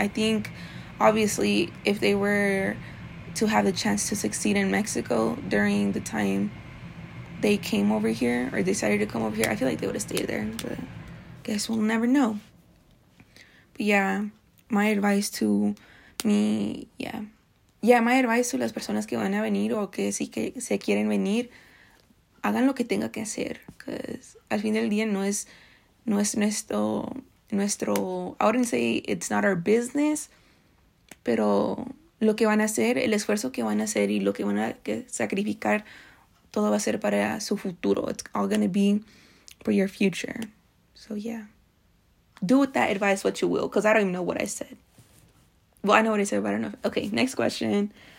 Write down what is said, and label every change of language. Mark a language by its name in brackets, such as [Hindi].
[English] I think, obviously, if they were to have the chance to succeed in Mexico during the time they came over here or decided to come over here, I feel like they would have stayed there, but guess we'll never know. But yeah, my advice to me, yeah. Yeah, my advice to [Spanish] las personas que van a venir o que sí que se quieren venir, hagan lo que tenga que hacer, [English] because [Spanish] al fin del día no es nuestro, [English] I wouldn't say it's not our business, [Spanish] pero lo que van a hacer, el esfuerzo que van a hacer y lo que van a sacrificar, todo va a ser para su futuro. [English] It's all going to be for your future. So, yeah. Do with that advice what you will, because I don't even know what I said. Well, I know what I said, but I don't know. Okay, next question.